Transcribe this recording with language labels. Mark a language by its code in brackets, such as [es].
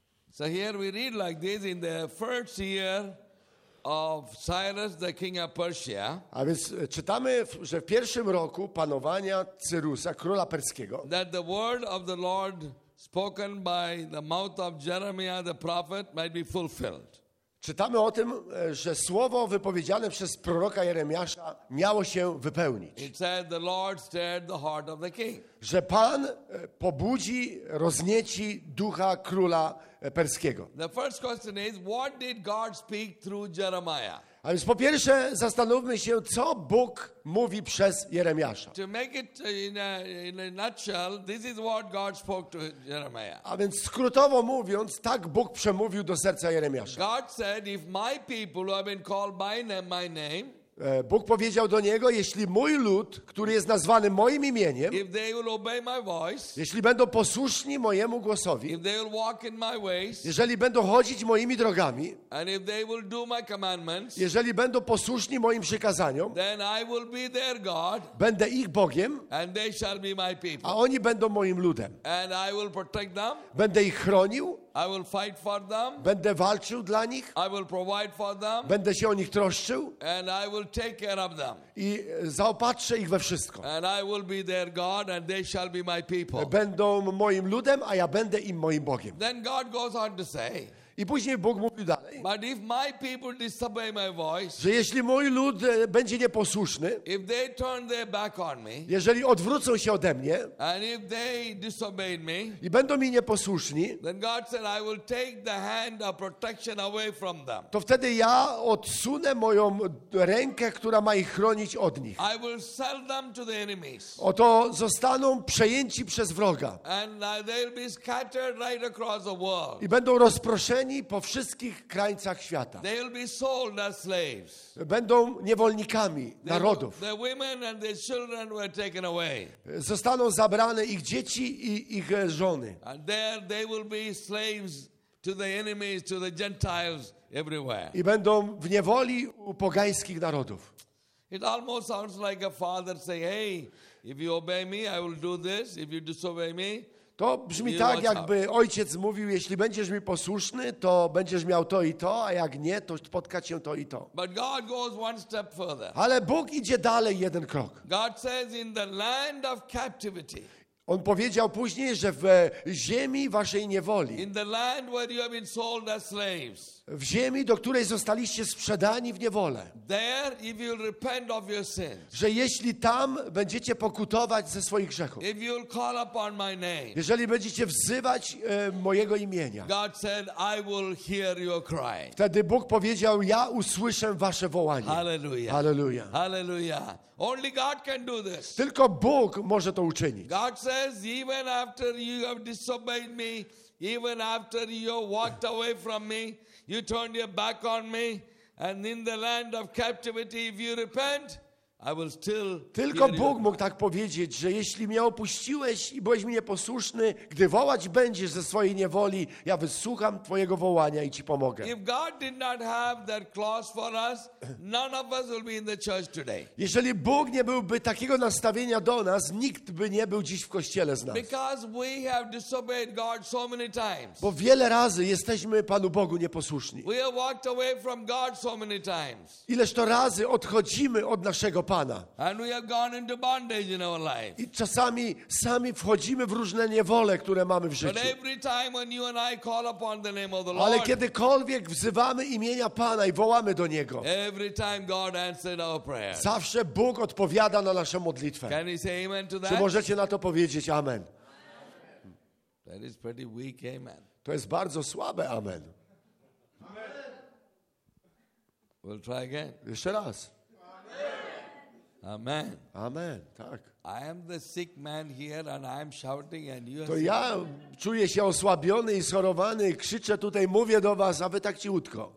[en] So here we read like this in the first year of Cyrus, the king of Persia. [pl] A więc czytamy, że w pierwszym roku panowania Cyrusa, króla perskiego, [en] that the word of the Lord spoken by the mouth of Jeremiah the prophet might be fulfilled. [pl] Czytamy o tym, że słowo wypowiedziane przez proroka Jeremiasza miało się wypełnić. [en] It said the Lord stirred the heart of the king. [pl] Że Pan pobudzi, roznieci ducha króla perskiego. [en] The first question is, what did God speak through Jeremiah? [pl] A więc po pierwsze zastanówmy się, co Bóg mówi przez Jeremiasza. [en] To make it in a nutshell, this is what God spoke to Jeremiah. [pl] A więc skrótowo mówiąc, tak Bóg przemówił do serca Jeremiasza. [en] God said, if my people who have been called by my name, [pl] Bóg powiedział do niego, jeśli mój lud, który jest nazwany moim imieniem, [en] if they will obey my voice, [pl] jeśli będą posłuszni mojemu głosowi, [en] if they will walk in my ways, [pl] jeżeli będą chodzić moimi drogami, [en] and if they will do my commandments, [pl] jeżeli będą posłuszni moim przykazaniom, [en] then I will be their God, [pl] będę ich Bogiem, [en] and they shall be my people, [pl] a oni będą moim ludem. [en] And I will protect them, [pl] będę ich chronił, [en] I will fight for them, [pl] będę walczył dla nich, [en] I will provide for them, [pl] będę się o nich troszczył, [en] and I will take care of them, [pl] i zaopatrzę ich we wszystko. [en] And I will be their God, and they shall be my people. [pl] Będą moim ludem, a ja będę im moim Bogiem. [en] Then God goes on to say, [pl] i później Bóg mówi dalej, [en] but if my people disobey my voice, [pl] że jeśli mój lud będzie nieposłuszny, [en] if they turn their back on me, [pl] jeżeli odwrócą się ode mnie, [en] and if they disobey me, [pl] i będą mi nieposłuszni, [en] then God said, I will take the hand of protection away from them. [pl] To wtedy ja odsunę moją rękę, która ma ich chronić od nich. [en] I will sell them to the enemies. [pl] Oto zostaną przejęci przez wroga. [en] And they'll be scattered right across the world. [pl] I będą rozproszeni po wszystkich krańcach świata. [en] They'll be sold as slaves. [pl] Będą niewolnikami narodów. [en] The women and the children were taken away. [pl] Zostaną zabrane ich dzieci i ich żony. [en] And there they will be slaves to the enemies, to the Gentiles everywhere. [pl] I będą w niewoli u pogańskich narodów. [en] It almost sounds like a father saying, hey, if you obey me, I will do this. If you disobey me, [pl] to brzmi tak, jakby ojciec mówił, jeśli będziesz mi posłuszny, to będziesz miał to i to, a jak nie, to spotka cię to i to. [en] But God goes one step further. [pl] Ale Bóg idzie dalej jeden krok. [en] God says in the land of captivity, [pl] on powiedział później, że w ziemi waszej niewoli, [en] in the land where you have been sold as slaves, [pl] w ziemi, do której zostaliście sprzedani w niewolę, [en] there, if you'll repent of your sins, [pl] że jeśli tam będziecie pokutować ze swoich grzechów, [en] if you'll call upon my name, [pl] jeżeli będziecie wzywać mojego imienia, [en] God said, I will hear your cry. [pl] Wtedy Bóg powiedział, ja usłyszę wasze wołanie. Hallelujah. Hallelujah. [en] Hallelujah. Only God can do this. [pl] Tylko Bóg może to uczynić. [en] God says, even after you have disobeyed me, even after you walked away from me, you turned your back on me, and in the land of captivity, if you repent, I will still. [pl] Tylko Bóg mógł tak powiedzieć, że jeśli mnie opuściłeś i byłeś mi nieposłuszny, gdy wołać będziesz ze swojej niewoli, ja wysłucham twojego wołania i ci pomogę. [en] If God did not have that clause for us, none of us will be in the church today. [pl] Jeżeli Bóg nie byłby takiego nastawienia do nas, nikt by nie był dziś w kościele z nas. [en] Because we have disobeyed God so many times. [pl] Bo wiele razy jesteśmy Panu Bogu nieposłuszni. [en] We have walked away from God so many times. [pl] Ileż to razy odchodzimy od naszego Pana. [en] And we have gone into bondage in our life. [pl] I czasami sami wchodzimy w różne niewole, które mamy w życiu. [en] But every time when you and I call upon the name of the Lord. [pl] Ale kiedykolwiek wzywamy imienia Pana i wołamy do Niego. [en] Every time God answered our prayer. [pl] Zawsze Bóg odpowiada na nasze modlitwy. [en] Can you say amen to that? [pl] Czy możecie na to powiedzieć amen? [en] That is pretty weak amen. [pl] To jest bardzo słabe amen. Amen. [en] We'll try again. [pl] Jeszcze raz. Amen. Amen. Tak. [en] I am the sick man here and I'm shouting and you are. [pl] To ja czuję się osłabiony i schorowany, krzyczę tutaj, mówię do was, a wy tak cichutko.